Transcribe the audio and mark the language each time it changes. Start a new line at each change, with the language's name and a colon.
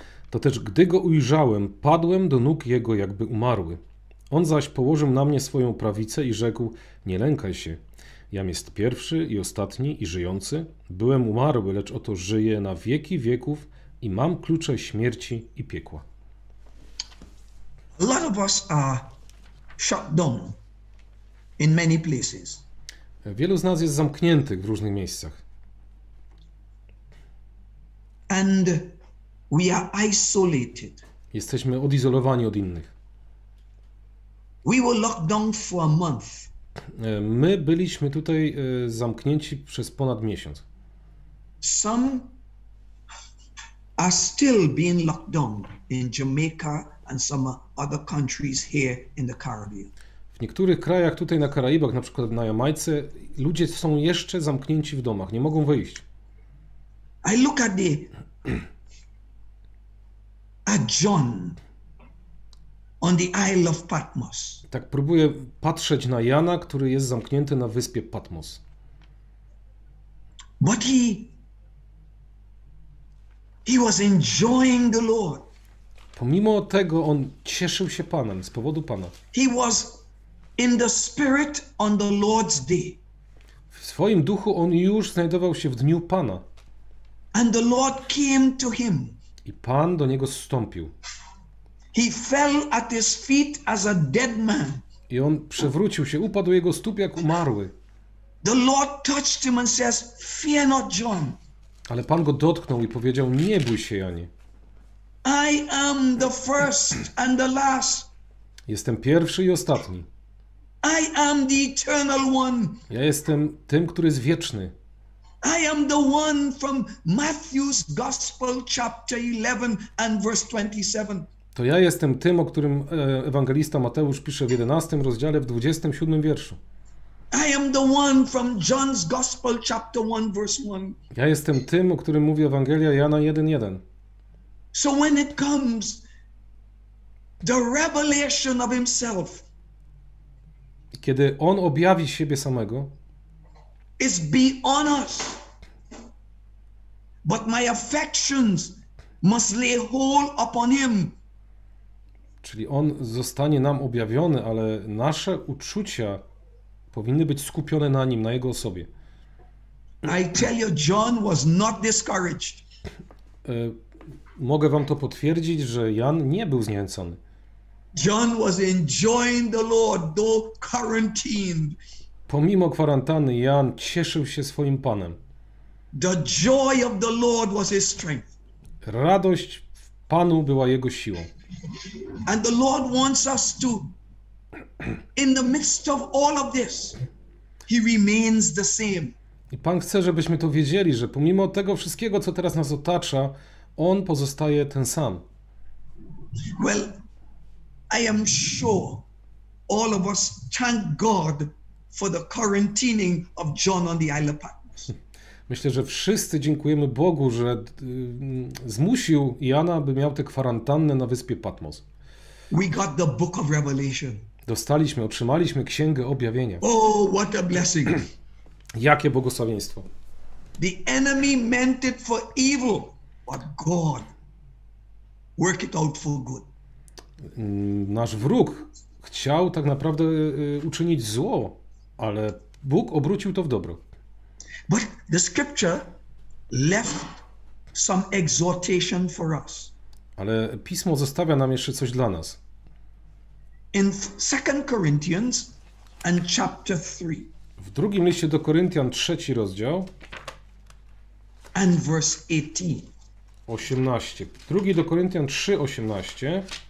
Polish: To też gdy go ujrzałem, padłem do nóg jego, jakby umarły. On zaś położył na mnie swoją prawicę i rzekł: nie lękaj się. Jam jest pierwszy i ostatni i żyjący. Byłem umarły, lecz oto żyję na wieki wieków i mam klucze śmierci i piekła.
English: A lot of us are shut down in many places.
Polish: Wielu z nas jest zamkniętych w różnych miejscach.
English: And we are isolated.
Polish: Jesteśmy odizolowani od innych.
English: We were locked down for a month.
Polish: My byliśmy tutaj zamknięci przez ponad miesiąc.
English: Some are still being locked down in Jamaica and some other countries here in the Caribbean.
Polish: W niektórych krajach tutaj na Karaibach, na przykład na Jamajce, ludzie są jeszcze zamknięci w domach, nie mogą wyjść.
English: I look at the John on the Isle of Patmos.
Polish: Tak próbuję patrzeć na Jana, który jest zamknięty na wyspie Patmos.
English: But he was enjoying the Lord.
Polish: Pomimo tego on cieszył się Panem z powodu Pana.
English: He was in the spirit on the Lord's day.
Polish: W swoim duchu on już znajdował się w dniu Pana.
English: And the Lord came to him.
Polish: I Pan do niego zstąpił.
English: He fell at his feet as a dead man.
Polish: I on przewrócił się, upadł jego stóp jak umarły.
English: The Lord touched him and says, "Fear not, John."
Polish: Ale Pan go dotknął i powiedział: nie bój się, Janie.
English: I am the first and the last.
Polish: Jestem pierwszy i ostatni.
English: I am the eternal one.
Polish: Ja jestem tym, który jest wieczny.
English: I am the one from Matthew's Gospel chapter 11 and verse 27.
Polish: To ja jestem tym, o którym ewangelista Mateusz pisze w 11 rozdziale w 27 wierszu.
English: I am the one from John's Gospel chapter 1 verse 1.
Polish: Ja jestem tym, o którym mówi Ewangelia Jana 1:1.
English: So when it comes the revelation of himself.
Polish: Kiedy on objawi siebie samego,
English: it's beyond us, but my affections must lay hold upon him.
Polish: Czyli on zostanie nam objawiony, ale nasze uczucia powinny być skupione na nim, na jego osobie.
English: I tell you, John was not discouraged.
Polish: Mogę wam to potwierdzić, że Jan nie był zniechęcony.
English: John was enjoying the Lord though quarantined.
Polish: Pomimo kwarantanny Jan cieszył się swoim Panem.
English: The joy of the Lord was his strength.
Polish: Radość w Panu była jego siłą.
English: And the Lord wants us to, in the midst of all of this, he remains the same.
Polish: I Pan chce, żebyśmy to wiedzieli, że pomimo tego wszystkiego, co teraz nas otacza, on pozostaje ten sam.
English: Well, I am sure all of us thank God for the quarantining of John on the Isle of Patmos.
Polish: Myślę, że wszyscy dziękujemy Bogu, że zmusił Jana, by miał tę kwarantannę na wyspie Patmos.
English: We got the book of Revelation.
Polish: Dostaliśmy, otrzymaliśmy księgę objawienia.
English: Oh, what a blessing!
Polish: Jakie błogosławieństwo!
English: The enemy meant it for evil, but God worked it out for good.
Polish: Nasz wróg chciał tak naprawdę uczynić zło, ale Bóg obrócił to w dobro.
English: But the scripture left some exhortation for us.
Polish: Ale Pismo zostawia nam jeszcze coś dla nas.
English: In 2 Corinthians and chapter 3.
Polish: W drugim liście do Koryntian, trzeci rozdział.
English: And verse 18.
Polish: 18. Drugi do Koryntian 3, 18.